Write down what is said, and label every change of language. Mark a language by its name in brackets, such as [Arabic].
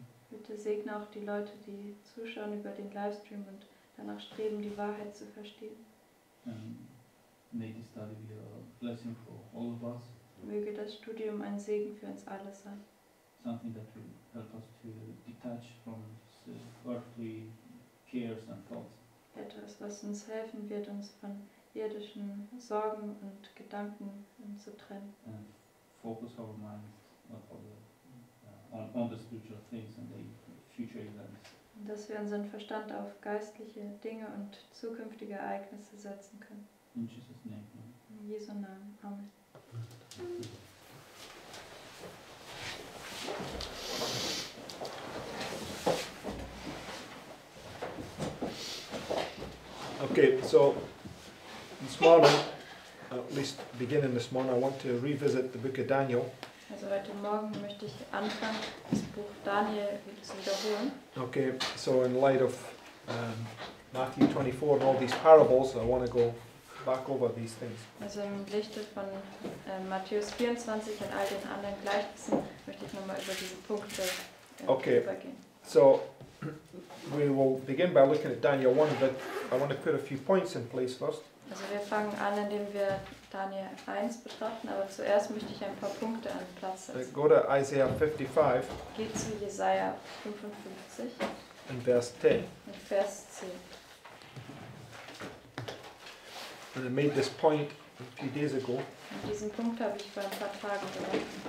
[German] Bitte segne auch die Leute, die zuschauen über den Livestream und danach streben, die Wahrheit zu verstehen. Möge das Studium ein Segen für uns alle sein. [English] Something that will help us to detach from earthly cares and thoughts. [German] Etwas, was uns helfen wird, uns von irdischen Sorgen und Gedanken zu trennen. [English] And focus our minds on the spiritual things and the future events. [German] Und dass wir unseren Verstand auf geistliche Dinge und zukünftige Ereignisse setzen können. [English] In Jesus' name. [German] In Jesu Namen. Amen. [English] Okay, so this morning, at least beginning this morning, I want to revisit the book of Daniel. [German] Also heute Morgen möchte ich anfangen, das Buch Daniel zu wiederholen. [English] Okay, so in light of Matthew 24 and all these parables, I want to go back over these things. [German] Also im Lichte von Matthäus 24 und all den anderen Gleichnissen möchte ich nochmal über diese Punkte okay. Übergehen. [English] So we will begin by looking at Daniel 1, but I want to put a few points in place first. [German] Also wir fangen an, indem wir Daniel 1 betrachten, aber zuerst möchte ich ein paar Punkte an Platz setzen. [English] Go to Isaiah 55. [German] Geht zu Jesaja 55. In Vers 10. In Vers 10. [English] And I made this point a few days ago. [German] Und diesen Punkt habe ich vor ein paar Tagen gemacht.